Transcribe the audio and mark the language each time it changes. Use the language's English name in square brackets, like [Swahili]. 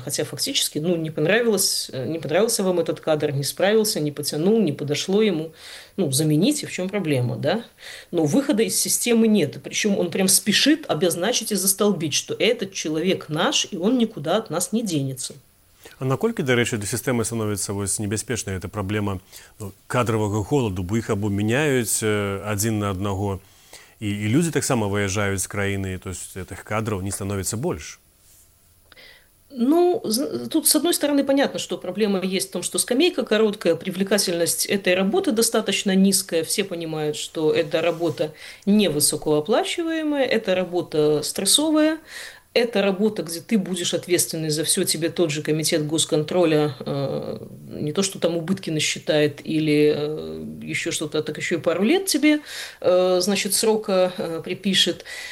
[Russian] Хотя фактически, ну, не понравился вам этот кадр, не справился, не потянул, не подошло ему. Ну, замените, в чем проблема, да? Но выхода из системы нет. Причем он прям спешит обозначить и застолбить, что этот человек наш, и он никуда от нас не денется. [Belarusian] А наколькі, дарэчы, для сістэмы становіцца вось небяспечная эта праблема кадравага голаду, бо іх або мяняюць адзін на аднаго, і людзі таксама выязджаюць з краіны, то есть гэтых кадраў не становіцца больш. [Russian] Ну, тут, с одной стороны, понятно, что проблема есть в том, что скамейка короткая, привлекательность этой работы достаточно низкая. Все понимают, что эта работа невысокооплачиваемая, эта работа стрессовая, эта работа, где ты будешь ответственный за все, тебе тот же комитет госконтроля, не то, что там убытки насчитает или еще что-то, так еще и пару лет тебе, значит, срока припишет.